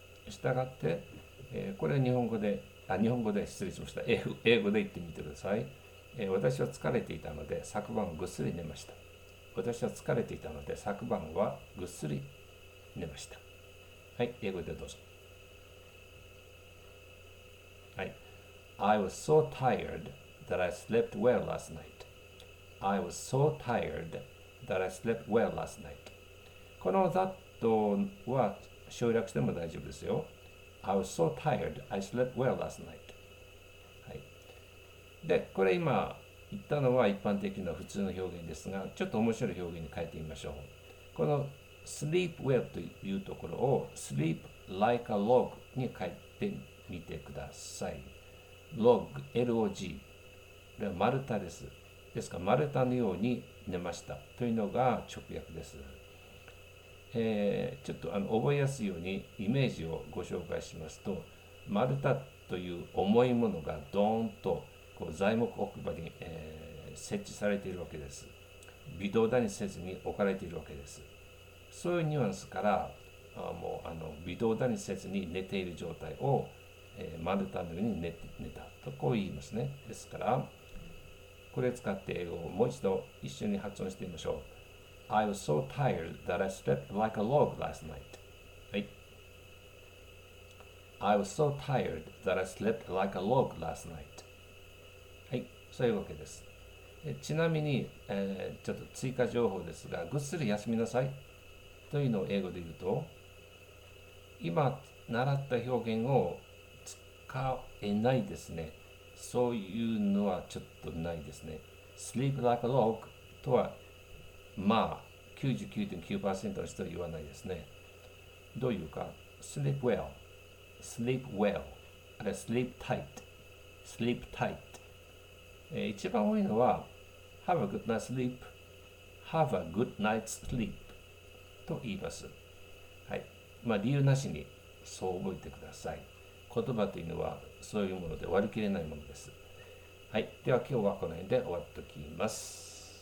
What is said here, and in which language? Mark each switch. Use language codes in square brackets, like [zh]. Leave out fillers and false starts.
[ja] したがって、これは日本語で日本語で失礼しました。英語で言ってみてください。私は疲れていたので昨晩ぐっすり寝ました。私は疲れていたので昨晩はぐっすり寝ました。はい、英語でどうぞ。 [en] はい、I was so tired that I slept well last night. I was so tired that I slept well last night. [ja] この that は省略しても大丈夫ですよ。 [en] I was so tired I slept well last night. [ja] はい。で、これ今言ったのは一般的な普通の表現ですが、ちょっと面白い表現に変えてみましょう。この [en] sleep well [ja] というところを [en] sleep like a log [ja] に変えてみてください。 [en] log, log [ja] これは丸太です。ですから丸太のように寝ましたというのが直訳です。ちょっと覚えやすいようにイメージをご紹介しますと、丸太という重いものがドーンとこう材木置く場に、設置されているわけです。微動だにせずに置かれているわけです。そういうニュアンスから、もう微動だにせずに寝ている状態を丸太のように寝たとこう言いますね。ですからこれを使って英語をもう一度一緒に発音してみましょう。 [en] I was so tired that I slept like a log last night、はい、I was so tired that I slept like a log last night、はい、 [ja] そういうわけです。ちなみに、ちょっと追加情報ですが、ぐっすり休みなさいというのを英語で言うと、今習った表現を使えないですね。そういうのはちょっとないですね。 [en] Sleep like a log [ja] とはまあ 99.9% の人は言わないですね。どういうか、 [en] Sleep well Sleep well [ja] あれ [en] Sleep tight Sleep tight、 [ja] 一番多いのは [en] Have a good night's sleep Have a good night's sleep [ja] と言います。はい、まあ理由なしにそう覚えてください。言葉というのはそういうもので割り切れないものです。はい、では今日はこの辺で終わっておきます。